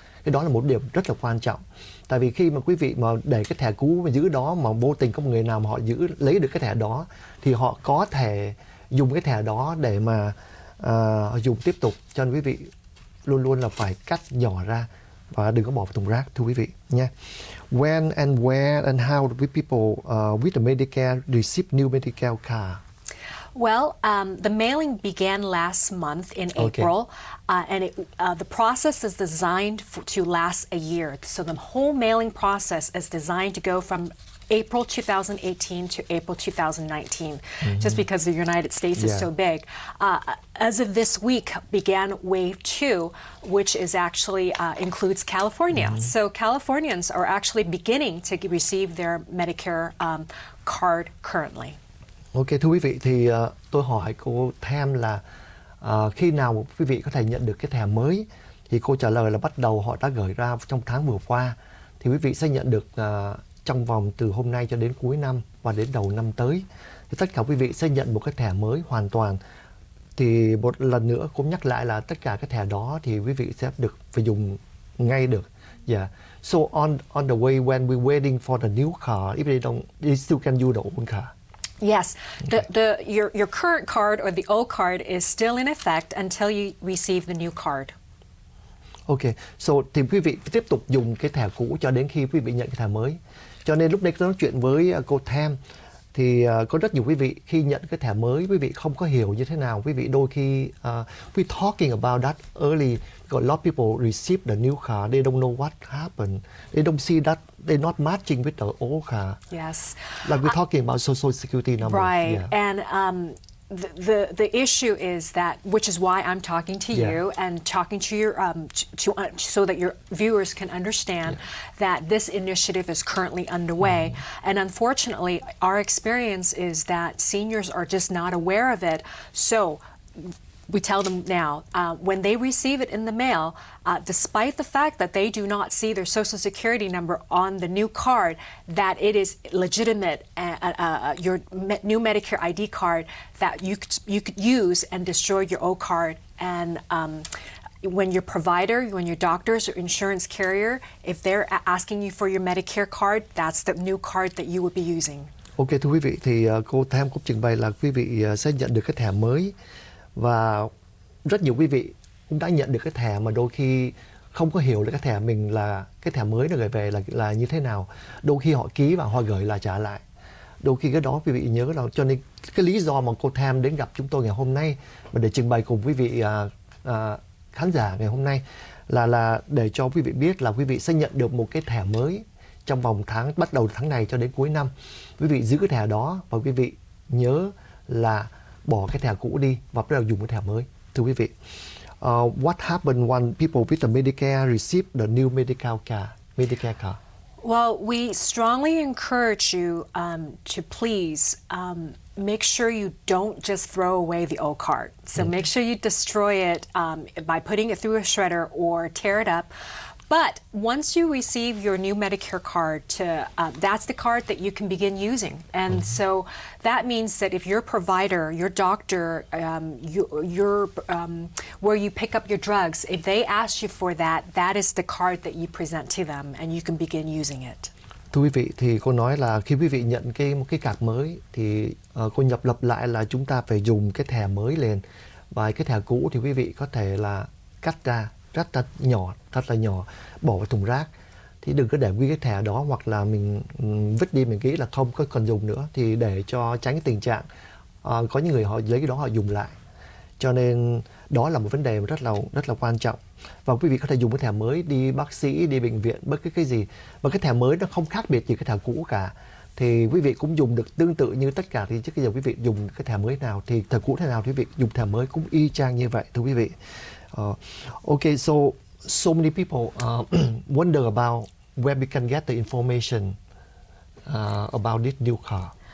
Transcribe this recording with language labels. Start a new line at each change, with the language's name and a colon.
Vietnamese: Cái đó là một điểm rất là quan trọng. Tại vì khi mà quý vị mà để cái thẻ cũ mà giữ đó mà vô tình có một người nào mà họ giữ lấy được cái thẻ đó, thì họ có thể dùng cái thẻ đó để mà dùng tiếp tục. Cho nên quý vị luôn luôn là phải cắt nhỏ ra và đừng có bỏ vào thùng rác thưa quý vị nha.
English: When and where and how do people with the Medicare receive new Medicare card? Well, the mailing began last month in April, and it, the process is designed to last a year. So the whole mailing process is designed to go from April 2018 to April 2019, just because the United States is so big. As of this week, began wave two, which is actually includes California. So Californians are actually beginning to receive their Medicare card currently.
Vietnamese: Ok, thưa quý vị, thì tôi hỏi cô thêm là khi nào quý vị có thể nhận được cái thẻ mới? Thì cô trả lời là bắt đầu họ đã gửi ra trong tháng vừa qua. Thì quý vị sẽ nhận được trong vòng từ hôm nay cho đến cuối năm và đến đầu năm tới. Thì tất cả quý vị sẽ nhận một cái thẻ mới hoàn toàn. Thì một lần nữa cũng nhắc lại là tất cả cái thẻ đó thì quý vị sẽ được phải dùng ngay được.
English: So on the way when we're waiting for the new car, if they don't, they still can use the old car. Yes, your current card or the old card is still in effect until you receive the new card.
Vietnamese: Okay, so thì quý vị tiếp tục dùng cái thẻ cũ cho đến khi quý vị nhận cái thẻ mới. Cho nên lúc này tôi nói chuyện với cô Tam, thì có rất nhiều quý vị khi nhận cái thẻ mới, quý vị không có hiểu như thế nào. Quý vị đôi khi,
English: we talking about that early, a lot of people receive the new card, they don't know what happened, they don't see that. They're not matching with the old car. Yes. Like we're talking about social security number. Right. Yeah. And the issue is that, which is why I'm talking to you and talking to your so that your viewers can understand that this initiative is currently underway. And unfortunately, our experience is that seniors are just not aware of it. So we tell them now, when they receive it in the mail, despite the fact that they do not see their social security number on the new card, that it is legitimate, your new Medicare ID card that you could use and destroy your old card. And when your provider, when your doctors or insurance carrier, if they're asking you for your Medicare card, that's the new card that you would be using.
Vietnamese: Okay, thưa quý vị, thì cô Tham cũng trình bày là quý vị sẽ nhận được cái thẻ mới. Và rất nhiều quý vị cũng đã nhận được cái thẻ mà đôi khi không có hiểu là cái thẻ mình là cái thẻ mới nó gửi về là như thế nào. Đôi khi họ ký và họ gửi là trả lại. Đôi khi cái đó quý vị nhớ là cho nên cái lý do mà cô Tham đến gặp chúng tôi ngày hôm nay và để trình bày cùng quý vị khán giả ngày hôm nay là để cho quý vị biết là quý vị sẽ nhận được một cái thẻ mới trong vòng tháng, bắt đầu tháng này cho đến cuối năm. Quý vị giữ cái thẻ đó và quý vị nhớ là bỏ cái thẻ cũ đi và bắt đầu dùng cái thẻ mới. Thưa quý vị,
English: what happened when people with the Medicare receive the new Medicare card? Well, we strongly encourage you to please make sure you don't just throw away the old card. So make sure you destroy it by putting it through a shredder or tear it up. But once you receive your new Medicare card, that's the card that you can begin using. And so that means that if your provider, your doctor, where you pick up your drugs, if they ask you for that, that is the card that you present to them and you can begin using it.
Vietnamese: Thưa quý vị, thì cô nói là khi quý vị nhận cái card mới, thì cô nhập lập lại là chúng ta phải dùng cái thẻ mới lên. Và cái thẻ cũ thì quý vị có thể là cắt ra. Rất là nhỏ, bỏ vào thùng rác. Thì đừng có để nguyên cái thẻ đó hoặc là mình vứt đi, mình nghĩ là không có cần dùng nữa. Thì để cho tránh cái tình trạng có những người họ lấy cái đó họ dùng lại. Cho nên đó là một vấn đề rất là quan trọng. Và quý vị có thể dùng cái thẻ mới đi bác sĩ, đi bệnh viện, bất cứ cái gì. Và cái thẻ mới nó không khác biệt gì cái thẻ cũ cả. Thì quý vị cũng dùng được tương tự như tất cả. Thì trước giờ quý vị dùng cái thẻ mới nào thì thẻ cũ thế nào thì quý vị dùng thẻ mới cũng y chang như vậy thưa quý vị.
English: Okay, so many people wonder about where we can get the information about this new car.